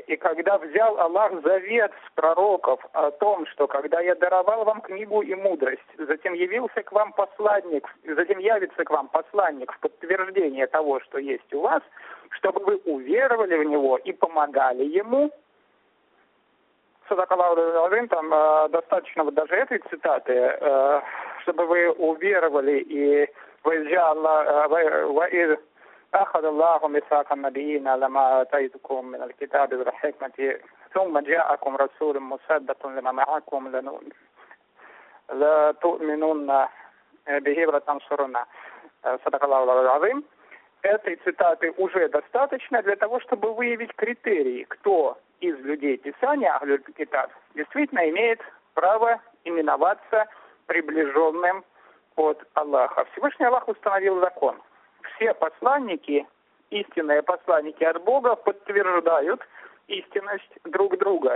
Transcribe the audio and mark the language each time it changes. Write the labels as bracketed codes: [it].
[ru] «И когда взял Аллах завет с пророков о том, что когда я даровал вам книгу и мудрость, затем явился к вам посланник, затем явится к вам посланник в подтверждение того, что есть у вас, чтобы вы уверовали в него и помогали ему». Садакаллаху, там достаточно вот даже этой цитаты, чтобы вы уверовали и выезжали... [ar] أخذ الله ميثاق النبيين لما آتيتكم من الكتاب والحكمة ثم جاءكم رسول مصدق لما معكم لتؤمنون به ولتنصرونه صدق الله العظيم. [ru] Этой цитаты уже достаточно для того, чтобы выявить критерии, кто из людей Писания, Ахлюль Китаб, действительно имеет право именоваться приближенным от Аллаха. Всевышний Аллах установил закон. Все посланники, истинные посланники от Бога, подтверждают истинность друг друга.